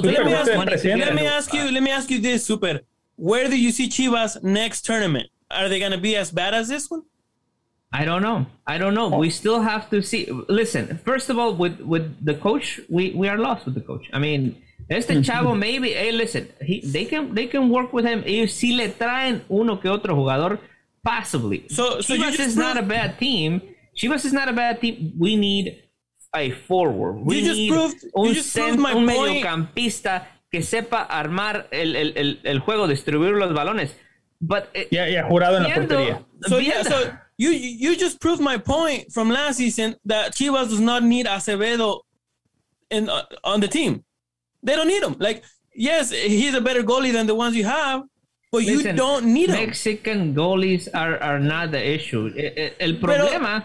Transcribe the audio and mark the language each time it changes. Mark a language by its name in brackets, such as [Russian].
[English] let me ask you this, Super. Where do you see Chivas next tournament? Are they gonna be as bad as this one? I don't know. Oh. We still have to see. Listen, first of all, with the coach, we are lost with the coach. I mean, [Spanish] este chavo [English] maybe. Hey, listen, they can work with him. [Spanish] If si le traen uno que otro jugador, possibly. [English] So Chivas is not a bad team. Chivas is not a bad team. We need a forward. You just proved my point. [Spanish] Mediocampista que sepa armar el juego, distribuir los balones. [English] But [Spanish] jurado en la portería. [English] So you just proved my point from last season that Chivas does not need Acevedo on the team. They don't need him. Like, yes, he's a better goalie than the ones you have. But listen, you don't need them. Mexican goalies are not the issue. [Spanish] El problema.